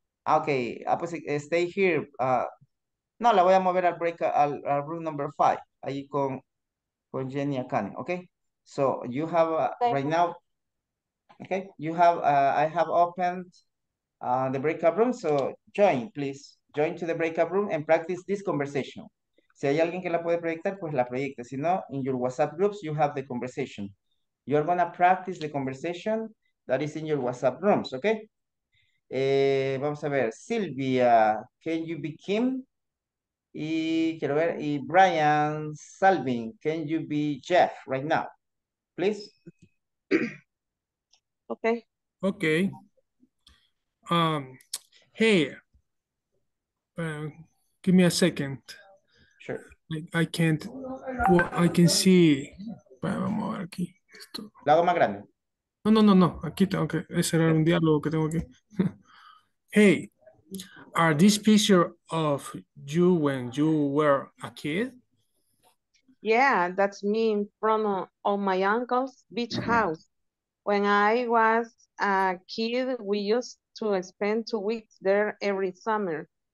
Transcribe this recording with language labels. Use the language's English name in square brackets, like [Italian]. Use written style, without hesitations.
[Spanish] Okay, pues, [English] stay here. [Spanish] No, la voy a mover al break, al [English] room number five, [Spanish] ahí con Jenny Akane, okay? [English] So you have, right now, okay? You have, I have opened the breakout room, so join, please. Join to the breakout room and practice this conversation. [Spanish] Si hay alguien que la puede proyectar, pues la proyecta. Si no, [English] in your WhatsApp groups, you have the conversation. You're gonna practice the conversation that is in your WhatsApp rooms, okay? [Spanish] Vamos a ver, [English] Silvia, can you be Kim? [Spanish] Y quiero ver, y [English] Brian Salvin, can you be Jeff right now, please? Okay. Okay. Hey, give me a second. Sure. I can see. [Spanish] Vamos a ver aquí. Esto. La hago más grande. No. Aquí tengo que cerrar un diálogo que tengo aquí. [English] Hey, are these pictures of you when you were a kid? Yeah, that's me in front of my uncle's beach house. When I was a kid, we used to spend 2 weeks there every summer.